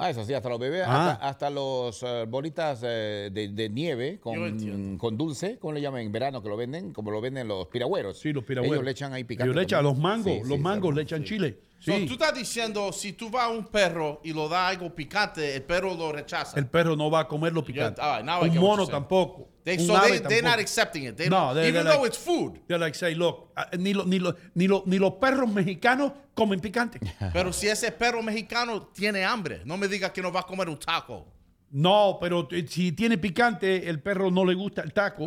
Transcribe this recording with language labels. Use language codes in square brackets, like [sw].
[es] Ah, eso sí, hasta los bebés, hasta los bolitas de nieve con dulce, ¿cómo le llaman? En verano que lo venden, como lo venden los piragüeros. Sí, los piragüeros. Ellos le echan ahí picante. Ellos le echan los mangos, le echan chile. Sí. So, tú estás diciendo, si tú vas a un perro y lo da algo picante, el perro lo rechaza. El perro no va a comer lo picante. [en] Yeah. [es] Un mono tampoco. [en] They're not accepting it. They don't even know it's food. They're like, say, look, [es] ni los perros mexicanos comen picante. Pero si ese perro mexicano tiene hambre, no me diga que no va a comer un taco. No, pero si tiene picante, el perro no le gusta el taco.